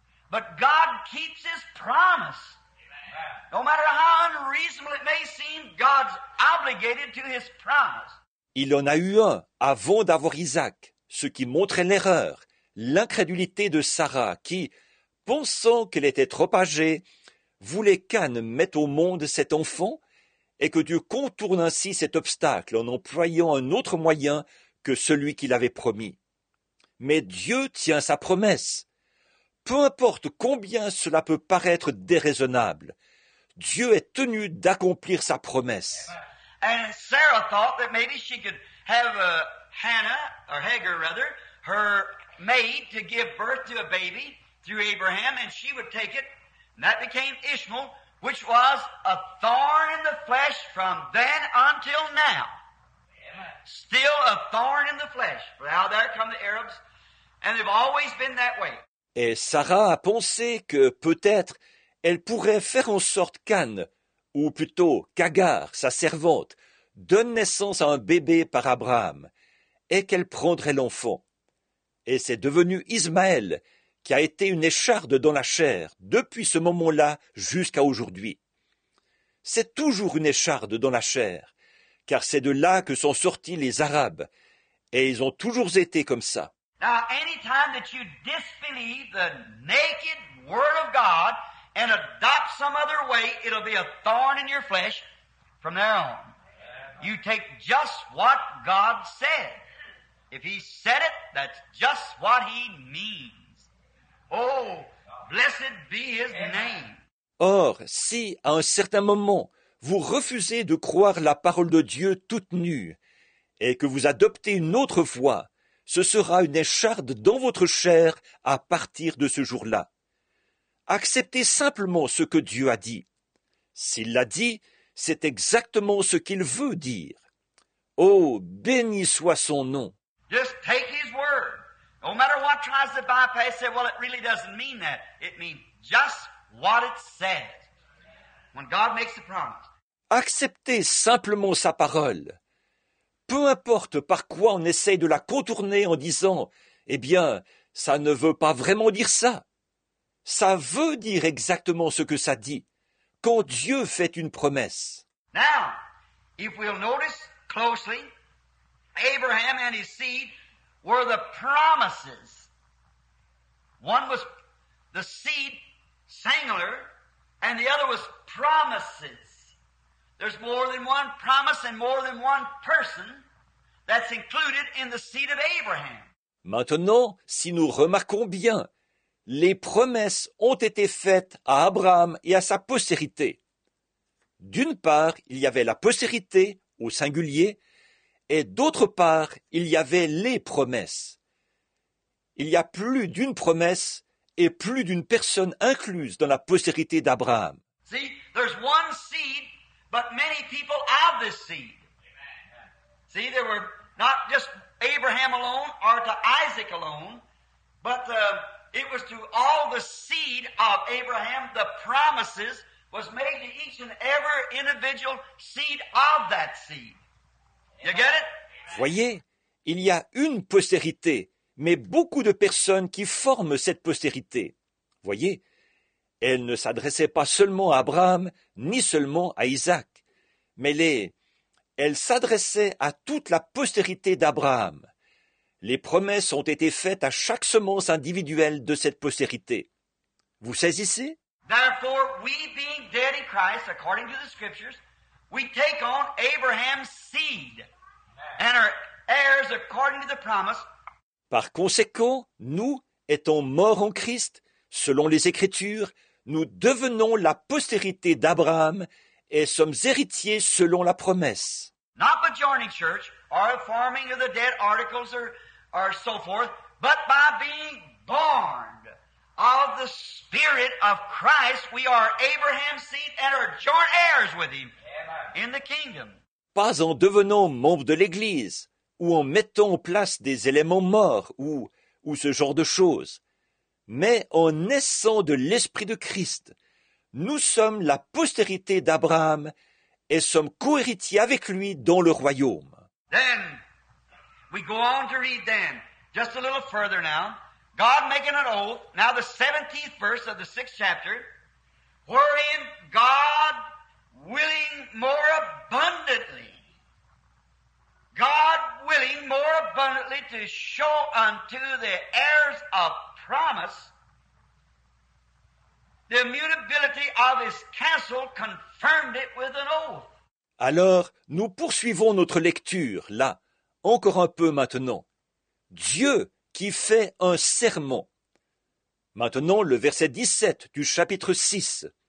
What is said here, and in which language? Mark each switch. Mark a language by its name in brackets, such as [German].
[English] But God keeps his promise. No matter how unreasonable it may seem, God's obligated to his promise. [French] Il en a eu un avant d'avoir Isaac, ce qui montrait l'erreur, l'incrédulité de Sarah, qui, pensant qu'elle était trop âgée, voulait qu'Anne mette au monde cet enfant, et que Dieu contourne ainsi cet obstacle en employant un autre moyen que celui qu'il avait promis. Mais Dieu tient sa promesse. Peu importe combien cela peut paraître déraisonnable, Dieu est tenu d'accomplir sa promesse. [English] And Sarah thought that maybe she could have Hannah, or Hagar rather, her maid to give birth to a baby through Abraham, and she would take it, and that became Ishmael, which was a thorn in the flesh from then until now. Amen. Still a thorn in the flesh. Now there come the Arabs, and they've always been that way. [French] Et Sarah a pensé que peut-être elle pourrait faire en sorte qu'Anne, ou plutôt qu'Agar, sa servante, donne naissance à un bébé par Abraham, et qu'elle prendrait l'enfant. Et c'est devenu Ismaël qui a été une écharde dans la chair depuis ce moment-là jusqu'à aujourd'hui. C'est toujours une écharde dans la chair, car c'est de là que sont sortis les Arabes, et ils ont toujours été comme ça. [English] Now, any time that you disbelieve the naked word of God and adopt some other way, it'll be a thorn in your flesh from there on. You take just what God said. If he said it, that's just what he means. Oh, blessed be his name. [French] Or, si à un certain moment, vous refusez de croire la parole de Dieu toute nue et que vous adoptez une autre voie, ce sera une écharde dans votre chair à partir de ce jour-là. Acceptez simplement ce que Dieu a dit. S'il l'a dit, c'est exactement ce qu'il veut dire. Oh, béni soit son nom. [English] Just take his word. No matter what tries to bypass it, well, it really doesn't mean that. It means just what it says. When God makes a promise. [French] Acceptez simplement sa parole. Peu importe par quoi on essaye de la contourner en disant « Eh bien, ça ne veut pas vraiment dire ça. » Ça veut dire exactement ce que ça dit, quand Dieu fait une promesse. [English] Now, if we'll notice closely, Abraham and his seed were the promises. One was the seed, singular, and the other was promises. There's more than one promise and more than one person that's included in the seed of Abraham. [French] Maintenant, si nous remarquons bien, les promesses ont été faites à Abraham et à sa postérité. D'une part, il y avait la postérité au singulier, et d'autre part, il y avait les promesses. Il y a plus d'une promesse et plus d'une personne incluse dans la postérité d'Abraham. [English] See, there's one seed, but many people of this seed. See, there were not just Abraham alone or to Isaac alone, but it was to all the seed of Abraham, the promises was made to each and every individual seed of that seed. You get it? [French] Voyez, il y a une postérité, mais beaucoup de personnes qui forment cette postérité. Voyez, elle ne s'adressait pas seulement à Abraham, ni seulement à Isaac, mais elle s'adressait à toute la postérité d'Abraham. Les promesses ont été faites à chaque semence individuelle de cette postérité. Vous saisissez? [English] Therefore, we being dead in Christ, according to the Scriptures, we take on Abraham's seed and are heirs according to the promise. [French] Par conséquent, nous, étant morts en Christ, selon les Écritures, nous devenons la postérité d'Abraham et sommes héritiers selon la promesse. [English] Not by joining church or forming of the dead articles or so forth, but by being born of the Spirit of Christ, we are Abraham's seed and are joint heirs with him in the kingdom. [French] Pas en devenant membre de l'Église ou en mettant en place des éléments morts ou ce genre de choses, mais en naissant de l'Esprit de Christ, nous sommes la postérité d'Abraham et sommes cohéritiers avec lui dans le royaume. [English] Then, we go on to read then, just a little further now, God making an oath, now the 17th verse of the 6th chapter, wherein God willing more abundantly, God willing more abundantly to show unto the heirs of promise the immutability of his counsel confirmed it with an oath. [French] Alors, nous poursuivons notre lecture, là, encore un peu maintenant. Dieu qui fait un serment. Maintenant, le verset 17 du chapitre 6.